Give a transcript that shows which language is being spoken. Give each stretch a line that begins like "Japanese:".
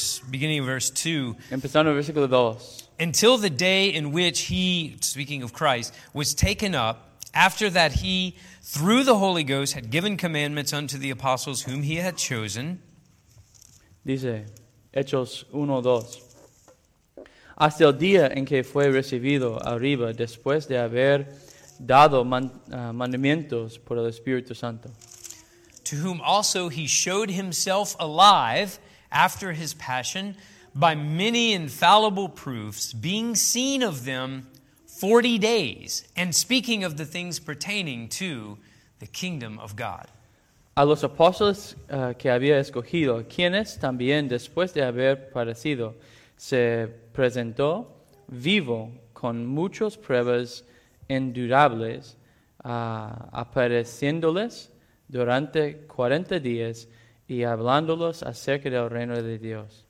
English: Beginning of verse 2.
Spanish: Empezando el versículo 2.
English: Until the day in which he, speaking of Christ, was taken up, after that he, through the Holy Ghost, had given commandments unto the apostles whom he had chosen.
Spanish: Dice, Hechos 1, 2. Hasta el día en que fue recibido arriba, después de haber dado mandamientos por el Espíritu Santo.
English: To whom also he showed himself alive after his passion by many infallible proofs, being seen of them 40 days, and speaking of the things pertaining to the kingdom of God.
Spanish: A los apóstoles que había escogido, quienes también después de haber padecido, se presentó vivo con muchas pruebas indudables, apareciéndoles durante 40 días y hablándolos acerca del reino de Dios.